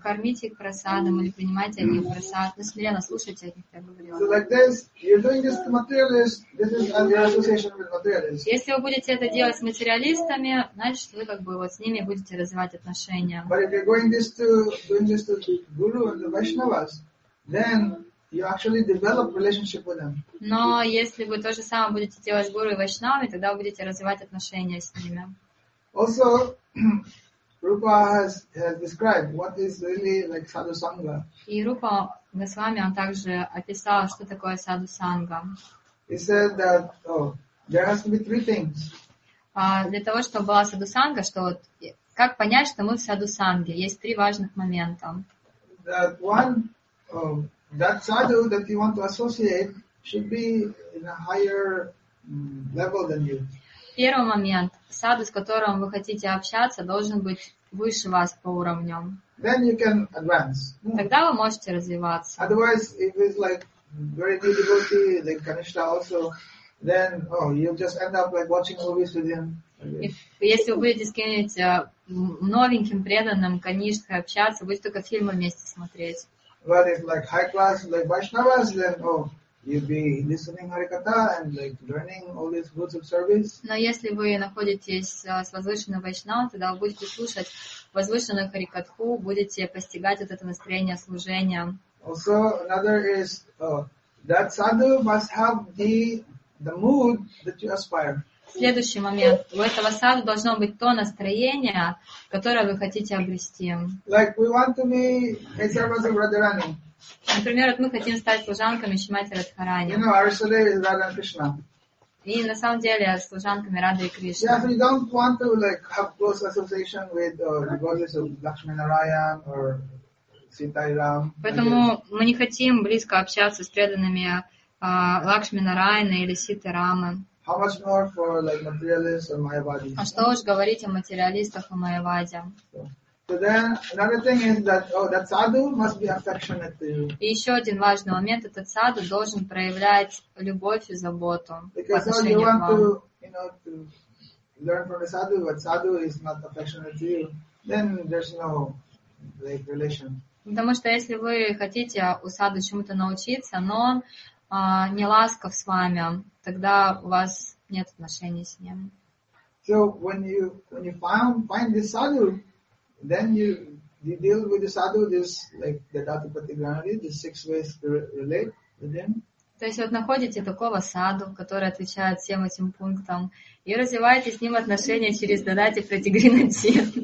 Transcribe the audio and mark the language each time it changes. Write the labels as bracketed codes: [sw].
[ru] Кормите их прасадом или принимайте от них прасад. Ну, смиренно слушайте от них, я говорила. [en] So like this, you're doing this to materialists, this is the association with materialists. [ru] Если вы будете это делать с материалистами, значит, вы как бы вот с ними будете развивать отношения. [en] But if you're doing this to Guru and the Vaishnavas, then you actually develop relationship with them. [ru] Но если вы то же самое будете делать с Гуру и Вайшнавами, тогда вы будете развивать отношения с ними. [en] Also, Rupa has described what is really like sadhu sangha. [ru] И Рупа Госвами, он также описал, что такое sadhu sangha. [en] He said that there has to be three things. [ru] для того, чтобы была садусанга, что вот как понять, что мы в садусанге? Есть три важных момента. [en] That one, that sadhu that you want to associate should be in a higher level than you. [ru] Первый момент. Саду, с которым вы хотите общаться, должен быть выше вас по уровню. [en] Then you can advance. [ru] Тогда вы можете развиваться. [en] Otherwise, if it's like very new devotee, then Kanishtha also, then you'll just end up like watching movies with him. [ru] Если вы будете с кем-нибудь новеньким преданным Kanishtha общаться, будете только фильмы вместе смотреть. [en] But if like high class, like Vaishnavas, then you'd be listening Harikatha and like learning all these modes of service. [ru] Но если вы находитесь с возвышенным Вайшнавом, тогда вы будете слушать возвышенную Харикатху, будете постигать вот это настроение служения. [en] Also, another is that sadhu must have the mood that you aspire. [ru] Следующий момент. У этого сада должно быть то настроение, которое вы хотите обрести. [en] Like we want to be a servant of Radharani. [ru] Например, вот мы хотим стать служанками Шримати Радхарани. [en] You know, Arsadev is Radha Krishna. [ru] И на самом деле служанками Рады и Кришны. [en] Yeah, we don't want to like have close association with the goddess of Lakshmi Narayan or Sita Ram. [ru] Поэтому мы не хотим близко общаться с преданными Лакшми Нарайана или Ситы Рамы. [en] How much more for like materialists or Mayavadi? [ru] А что уж говорить о материалистах и Майявади. [en] So then another thing is that that sadhu must be affectionate to you. [ru] И еще один важный момент, этот саду должен проявлять любовь и заботу. [en] Because so you want to, to learn from the sadhu, but sadhu is not affectionate to you, then there's no like relation. [ru] Потому что если вы хотите у саду чему-то научиться, но он не ласков с вами, тогда у вас нет отношений с ним. [en] So when you find this sadhu, then you deal with the sadhu, this like the Dattapati Granadi, the six ways to relate with him. [ru] То есть вот находите такого саду, который отвечает всем этим пунктам, и развиваете с ним отношения через Dattapati Granadi.